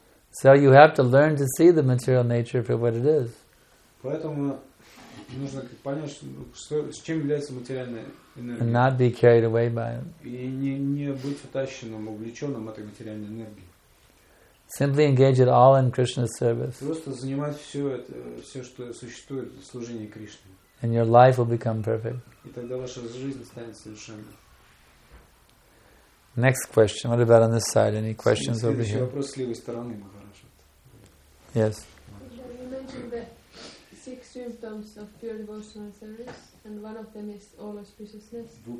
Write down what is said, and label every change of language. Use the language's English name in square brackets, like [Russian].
[English] So you have to learn to see the material nature for what it is. [Russian] Нужно понять, что, с чем является материальная энергия. [English] And not be carried away by it. [Russian] И не быть утащенным, увлеченным этой материальной энергией. [English] Simply engage it all in Krishna's service. [Russian] Просто занимать все это, все, что существует в служении Кришне. [English] And your life will become perfect. [Russian] И тогда ваша жизнь станет совершенной. [English] Next question. What about on this side? Any questions over here? [Russian] Следующий вопрос с левой стороны. [English] Yes. You mentioned the six symptoms of pure devotional service, and one of them is all auspiciousness.